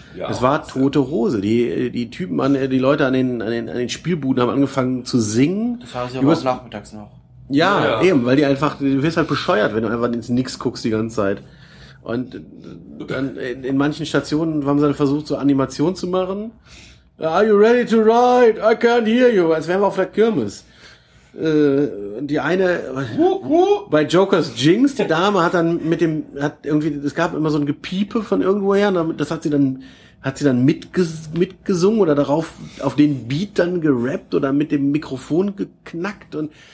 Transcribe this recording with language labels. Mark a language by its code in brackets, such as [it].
[de] Ja, es war tote Hose. Die Typen, die Leute an den Spielbuden haben angefangen zu singen. Das war sie aber auch nachmittags noch. Ja, ja, eben, weil die einfach, du wirst halt bescheuert, wenn du einfach ins Nix guckst die ganze Zeit. Und dann in manchen Stationen haben sie dann versucht, so Animationen zu machen. [en] Are you ready to ride? I can't hear you. [de] Als wären wir auf der Kirmes. Die eine bei Jokers Jinx, die Dame hat dann es gab immer so ein Gepiepe von irgendwoher, das hat sie dann mitgesungen oder darauf auf den Beat dann gerappt oder mit dem Mikrofon geknackt und